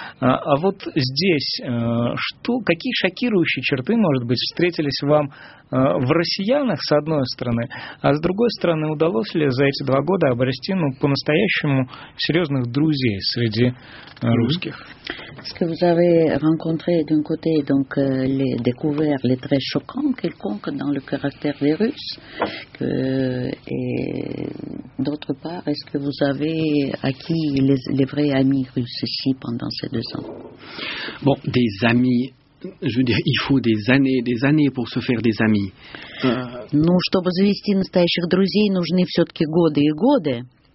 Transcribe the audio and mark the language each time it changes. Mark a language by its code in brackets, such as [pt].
[ru] А вот здесь, что, какие шокирующие черты, может быть, встретились вам в россиянах, с одной стороны, а с другой стороны, удалось ли за эти два года обрести, ну, по-настоящему серьезных друзей среди русских? [fr] Est-ce que vous avez rencontré d'un côté donc les découvert les très choquants quelconques dans le caractère des Russes que, et d'autre part, est-ce que vous avez acquis les vrais amis russes ici pendant ces deux ans? Bon, des amis Je veux dire, il faut des années pour se faire des amis. [ru] Ну, чтобы завести настоящих друзей, нужны все-таки годы и годы.